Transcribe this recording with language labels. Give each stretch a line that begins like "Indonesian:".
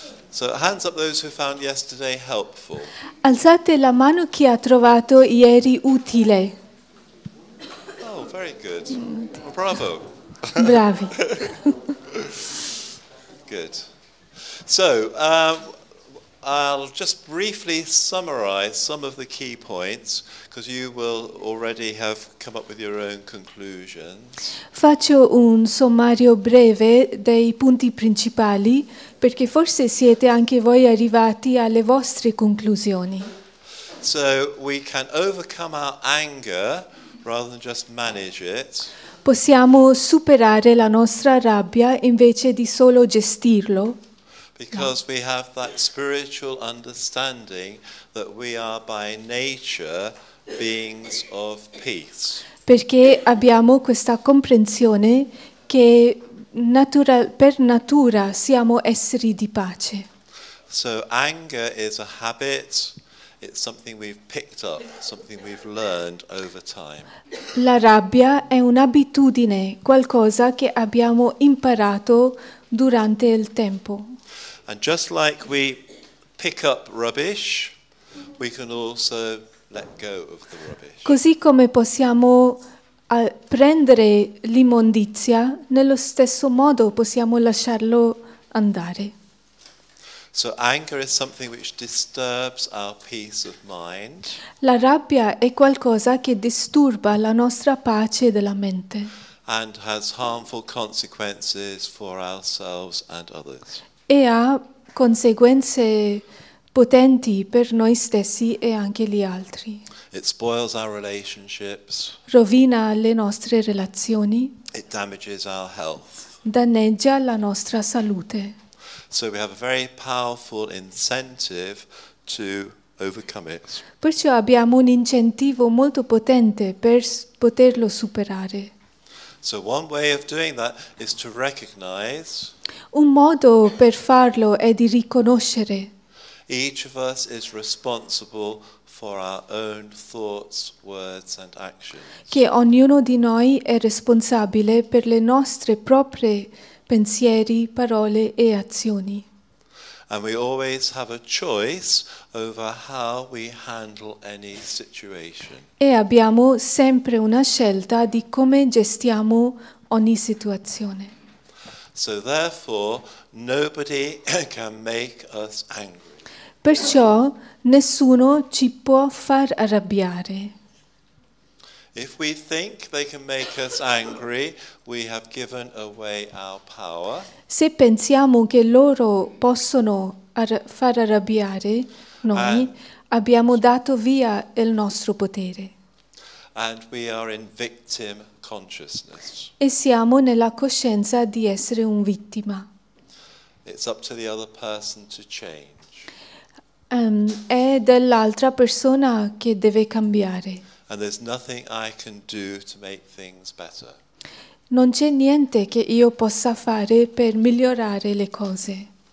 English: So hands up those who found yesterday helpful.
Italian: Alzate la mano chi ha trovato ieri utile.
English: Oh, very good. Well, bravo.
Italian: Bravi.
English: Good. So I'll just briefly summarize some of the key points, because you will already have come up with your own conclusions.
Italian: Faccio un sommario breve dei punti principali, perché forse siete anche voi arrivati alle vostre conclusioni.
English: So we can overcome our anger rather than just manage it.
Italian: Possiamo superare la nostra rabbia invece di solo gestirlo.
English: Because we have that spiritual understanding that we are by nature beings of peace.
Italian: Perché abbiamo questa comprensione che per natura siamo esseri di pace.
English: So anger is a habit. It's something we've picked up, something we've learned over time.
Italian: La rabbia è un'abitudine, qualcosa che abbiamo imparato durante il tempo.
English: And just like we pick up rubbish, we can also let go of the rubbish.
Italian: Così come possiamo prendere l'immondizia, nello stesso modo possiamo lasciarlo andare.
English: So anger is something which disturbs our peace of mind.
Italian: La rabbia è qualcosa che disturba la nostra pace della mente.
English: And has harmful consequences for ourselves and others.
Italian: E ha conseguenze potenti per noi stessi e anche gli altri.
English: It spoils our relationships.
Italian: Rovina le nostre relazioni.
English: It damages our health.
Italian: Danneggia la nostra salute.
English: So we have a very powerful incentive to overcome it.
Italian: Perciò abbiamo un incentivo molto potente per poterlo superare.
English: So one way of doing that is to recognize.
Italian: Un modo per farlo è di riconoscere.
English: Each of us is responsible for our own thoughts, words and actions.
Italian: Che ognuno di noi è responsabile per le nostre proprie pensieri, parole e azioni.
English: And we always have a choice over how we handle any situation.
Italian: E abbiamo sempre una scelta di come gestiamo ogni situazione.
English: So therefore, nobody can make us angry.
Italian: Perciò nessuno ci può far arrabbiare.
English: If we think they can make us angry, we have given away our power.
Italian: Se pensiamo che loro possono far arrabbiare noi, abbiamo dato via il nostro potere.
English: And we are in victim consciousness.
Italian: E siamo nella coscienza di essere un vittima.
English: It's up to the other person to change.
Italian: È dell'altra persona che deve cambiare.
English: And there's nothing I can do to make things better.
Italian: Non c'è niente che io possa fare per migliorare le cose.